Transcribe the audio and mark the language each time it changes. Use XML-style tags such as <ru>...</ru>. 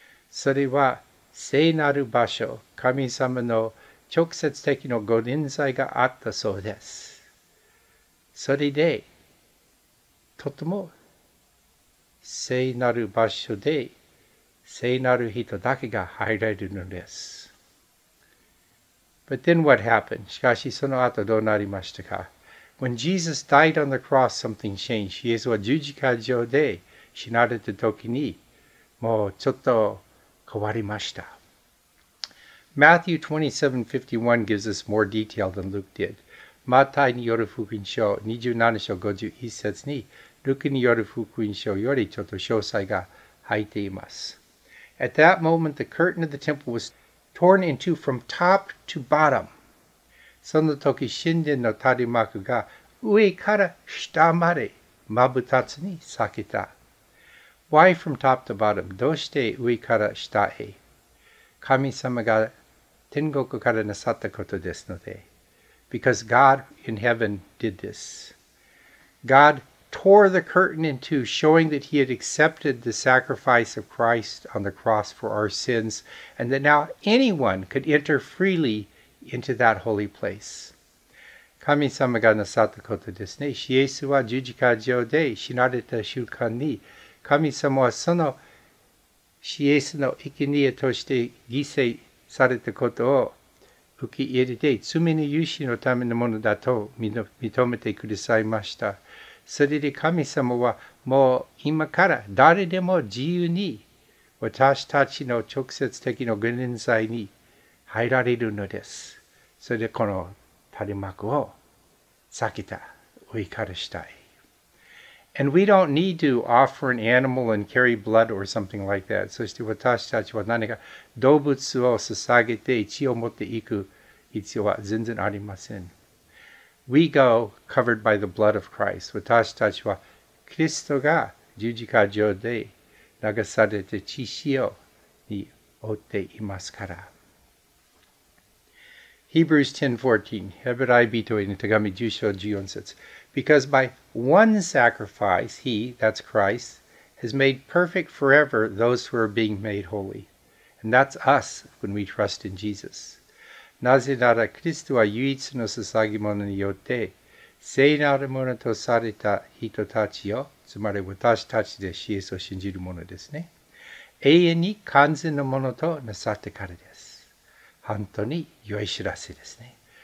<ja>それは聖なる場所、神様の直接的なご臨在があったそうです。それでとても聖なる場所で聖なる人だけが入れるのです。</ja> <en>But then what happened?</en> <ja>しかしその後どうなりましたか？</ja> <en>When Jesus died on the cross, something changed.</en> <ja>イエスは十字架上で死なれた時にもうちょっと変わりました。</ja> <en>Matthew 27:51 gives us more detail than Luke did.</en> <ja>マタイによる福音書27章51節に、ルカによる福音書よりちょっと詳細が入っています。</ja> <en>At that moment, the curtain of the temple was torn in two from top to bottom.</en> <ja>その時、神殿の垂れ幕が上から下まで真っ二つに裂けた。</ja> <en>Why from top to bottom?</en> <ja>どうして上から下へ？神様が天国からなさったことですので。</ja> <en>Because God in heaven did this. God tore the curtain in two, showing that he had accepted the sacrifice of Christ on the cross for our sins, and that now anyone could enter freely into that holy place.</en> <ja>神様がなさったことですね。イエスは十字架上で死なれた瞬間に、神様はそのイエスの生贄として犠牲されたことを受け入れて、罪の許しのためのものだと認めてくださいました。それで神様はもう今から誰でも自由に私たちの直接的な御臨在に入られるのです。それでこの垂れ幕を裂けた上からしたい。</ja> <en>And we don't need to offer an animal and carry blood or something like that.</en> <ja>そして私たちは何か動物を捧げて血を持っていく必要は全然ありません。</ja> <en>We go covered by the blood of Christ.</en> <ja>私たちは、キリストが十字架上で流されて血潮に覆っていますから。 Hebrews 10:14, ヘブライ人への手紙10章14節。</ja> <en>Because by one sacrifice, he, that's Christ, has made perfect forever those who are being made holy. And that's us when we trust in Jesus.</en> <ja>なぜなら、キリストは唯一の捧げ物によって、聖なるものとされた人たちを、つまり私たちでイエスを信じるものですね。永遠に完全のものとなさってからです。本当に良い知らせですね。</ja>